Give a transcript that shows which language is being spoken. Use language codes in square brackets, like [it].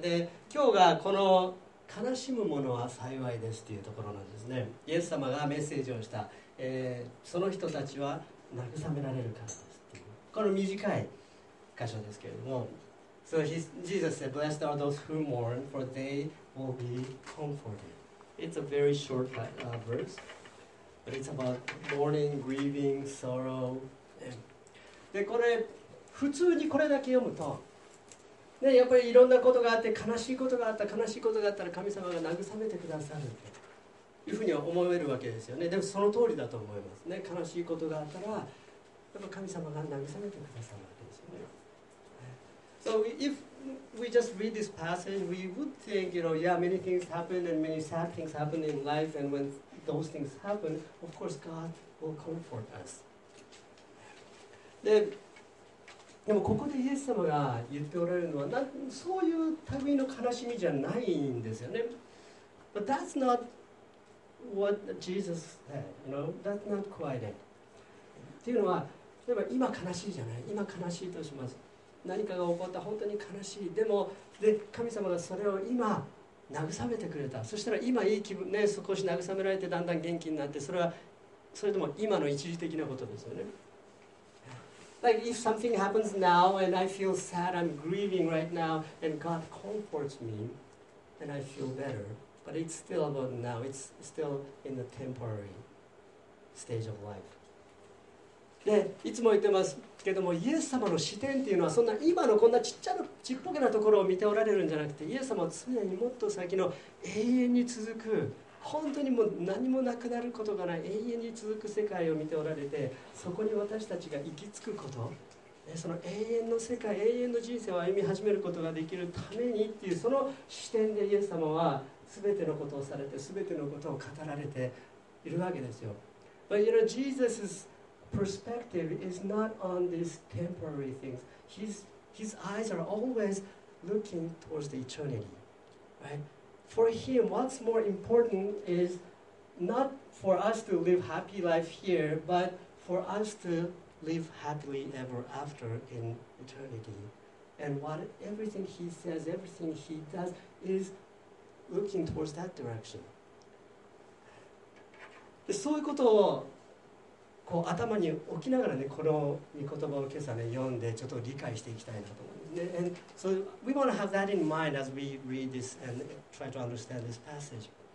[ja] で、今日がこの悲しむ者は幸いですというところなんですね。イエス様がメッセージをした、その人たちは慰められるからですっていう。この短い箇所ですけれども。 [en] So Jesus said, Blessed are those who mourn, for they... will be comforted. It's a very short verse, but it's about mourning, grieving, sorrow. [ja] で、これ普通にこれだけ読むと、ね、やっぱりいろんなことがあって悲しいことがあった、悲しいことがあったら神様が慰めてくださるというふうには思えるわけですよね。でもその通りだと思いますね。悲しいことがあったらやっぱ神様が慰めてくださるわけですよね。 [en] So ifWe just read this passage, we would think, you know, yeah, many things happen and many sad things happen in life, and when those things happen, of course, God will comfort us. [ja] でもここでイエス様が言っておられるのは、そういう類の悲しみじゃないんですよね。 [en] But that's not what Jesus said, you know, that's not quite it. [ja] っていうのは、例えば今悲しいじゃない、今悲しいとします。何かが起こった、本当に悲しい。でも、で神様がそれを今慰めてくれた。そしたら今いい気分ね、少し慰められてだんだん元気になって、それはそれとも今の一時的なことですよね。 [en] Like if something happens now and I feel sad, I'm grieving right now, and God comforts me, then I feel better. But it's still about now. It's still in the temporary stage of life. [ja] で、いつも言ってますけども、イエス様の視点っていうのはそんな今のこんなちっちゃなちっぽけなところを見ておられるんじゃなくて、イエス様は常にもっと先の永遠に続く、本当にもう何もなくなることがない永遠に続く世界を見ておられて、そこに私たちが行き着くこと、その永遠の世界、永遠の人生を歩み始めることができるためにっていう、その視点でイエス様は全てのことをされて、全てのことを語られているわけですよ。 [en] But you know, Jesus's perspective is not on these temporary things. His eyes are always looking towards the eternity, right? For him, what's more important is not for us to live happy life here, but for us to live happily ever after in eternity. And what everything he says, everything he does is looking towards that direction. [ja] そういうことをこう頭に置きながらね、この御言葉を今朝ね読んでちょっと理解していきたいなと思うんですね。 [en] And so we want to have that in mind as we read this and try to understand this passage.